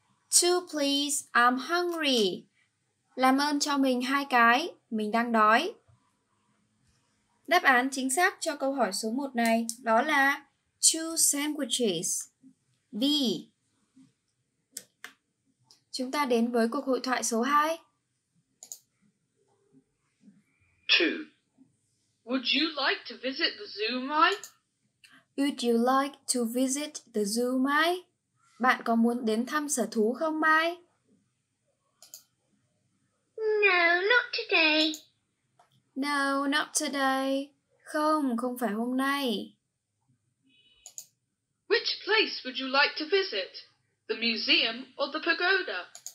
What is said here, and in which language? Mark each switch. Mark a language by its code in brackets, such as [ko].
[en] Two, please. I'm hungry. [vi] Làm ơn cho mình hai cái. Mình đang đói. Đáp án chính xác cho câu hỏi số 1 này đó là two sandwiches. B. Chúng ta đến với cuộc hội thoại số 2. [en] Two. Would you like to visit the zoo, Mai? Would you like to visit the zoo, Mai? [vi] Bạn có muốn đến thăm sở thú không, Mai? [en] No, not today. No, not today. [vi] Không, không phải hôm nay. [en] Which place would you like to visit? The museum or the pagoda?